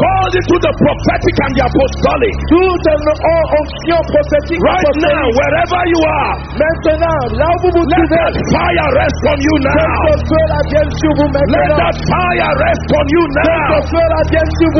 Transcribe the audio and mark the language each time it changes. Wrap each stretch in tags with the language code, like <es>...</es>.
<en>Called into the prophetic and the apostolic.</en> <fr>Toutes les onctions prophétiques.</fr> <en>Right now, wherever you are.</en> <fr>Maintenant, là où vous vous</fr> <en>let</en> <fr>trouvez.</fr> <en>Let that fire rest on you now. Let that fire rest on you now. Let that fire rest on you now.</en>